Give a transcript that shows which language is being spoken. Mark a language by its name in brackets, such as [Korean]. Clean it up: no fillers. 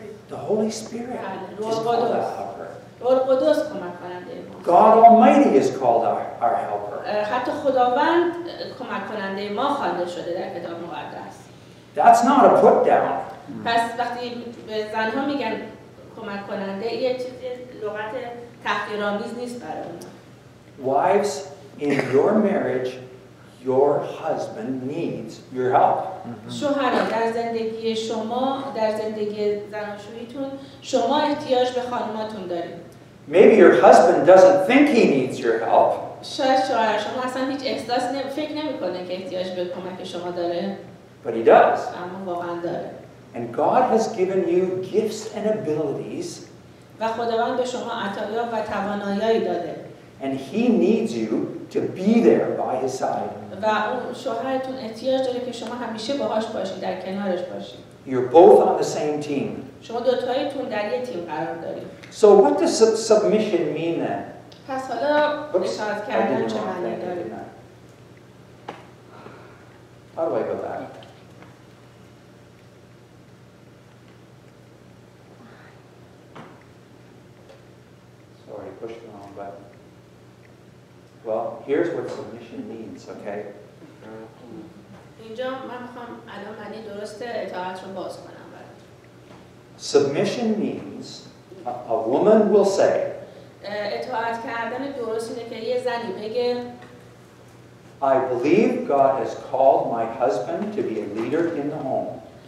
[English] The Holy Spirit is called our helper. [Persian] روح القدس کمک کننده ما. [English] God Almighty is called our helper. [Persian] حتی خداوند کمک کننده ما خوانده شده در کتاب مقدس. [English] That's not a put down. [Persian] پس وقتی به زنها میگن کمک کننده یه چیزی لغت تحقیرآمیز نیست برای اونا. [English] Wives, in your marriage, your husband needs your help. [Persian] شوهر در زندگی شما در زندگی زناشوییتون شما احتیاج به خانماتون دارید. [English] Maybe your husband doesn't think he needs your help. [Persian] شاید شوهر شما اصلا هیچ احساس فکر نمیکنه که احتیاج به کمک شما داره. [English] But he does. [Persian] اما واقعا داره. [English] And God has given you gifts and abilities. [Persian] و خداوند به شما عطایا و توانایی داده. [English] And he needs you to be there by his side. [Persian] و شوهرتون احتیاج داره که شما همیشه باهاش باشید، در کنارش باشید. [English] You're both on the same team. [Persian] شما دو تایتون در یک تیم قرار دارید. [English] So what does submission mean then? [Persian] پس حالا اشارت کردن چه معنی داره؟ [English] How do I go back? Sorry, push the wrong button. Well, here's what submission means, okay? [Persian] اینجا من میخوام الان معنی درست اطاعت رو باز کنم برات. [English] Submission means a woman will say. [Persian] اطاعت کردن درست اینه که یه زنی بگه [English] I believe God has called my husband to be a leader in the home.